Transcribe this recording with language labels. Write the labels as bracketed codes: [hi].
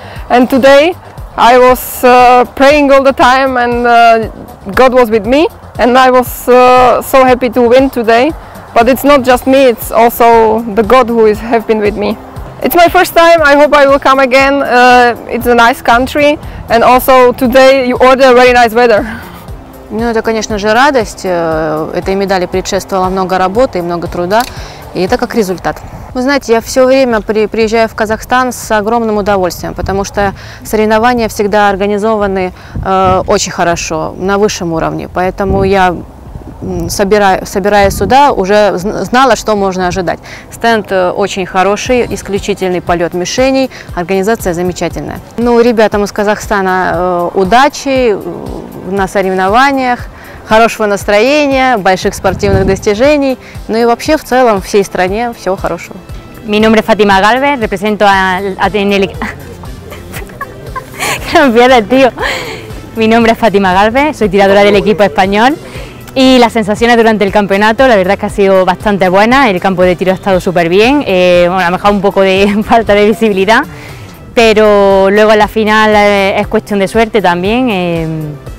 [en] And today I was praying all the time, and God was with me. And I was so happy to win today. But it's not just me, it's also the God who have been with me. It's my first time, I hope I will come again. It's a nice country, and also today you order very nice weather. [ru] Ну, это, конечно же, радость. Этой медали предшествовало много работы и много труда, и это как результат. Вы знаете, я все время приезжаю в Казахстан с огромным удовольствием, потому что соревнования всегда организованы очень хорошо, на высшем уровне, поэтому я... Собираясь сюда, уже знала, что можно ожидать. Стенд очень хороший, исключительный полет мишеней, организация замечательная. Ну, ребятам из Казахстана удачи на соревнованиях, хорошего настроения, больших спортивных достижений, ну и вообще в целом всей стране всего хорошего. [es] Mi nombre es Fátima Gálvez, represento a Tenerife. Cambia de tío. Mi nombre es Fátima Gálvez, soy tiradora del equipo español. Y las sensaciones durante el campeonato, la verdad es que ha sido bastante buena. El campo de tiro ha estado súper bien. Bueno, a lo mejor un poco de falta de visibilidad, pero luego en la final es cuestión de suerte también.